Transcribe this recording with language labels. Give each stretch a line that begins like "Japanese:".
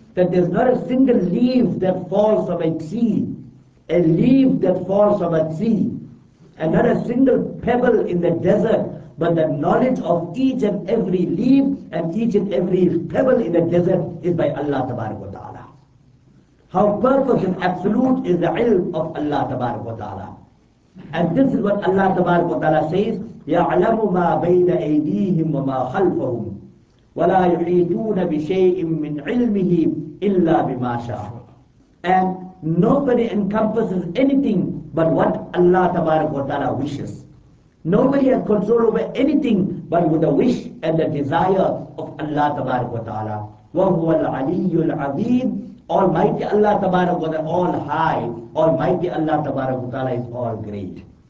English: That there's not a single leaf that falls from a tree, a leaf that falls from a tree, and not a single pebble in the desert, but the knowledge of each and every leaf and each and every pebble in the desert is by Allah Tabaraka wa Ta'ala. How perfect and absolute is the ilm of Allah Tabaraka wa Ta'ala. And this is what Allah Tabaraka wa Ta'ala says,
Arabic: يَعْلَمُ مَا بَيْنَ أَيْدِيهِمْ وَمَا خَلْفَهُمْ وَلَا يُحِيطُونَ بِشَيْءٍ مِّنْ عِلْمِهِ إِلَّا بِمَا شَاءُ.
English: And nobody encompasses anything but what Allah Tabaraka wa Ta'ala wishes. Nobody has control over anything but with the wish and the desire of Allah Tabaraka wa Ta'ala.
Arabic: وَهُوَ الْعَلِيُّ الْعَظِيمُ.
English: Almighty Allah Tabaraka wa Ta'ala, all high, Almighty Allah Tabaraka wa Ta'ala is all great.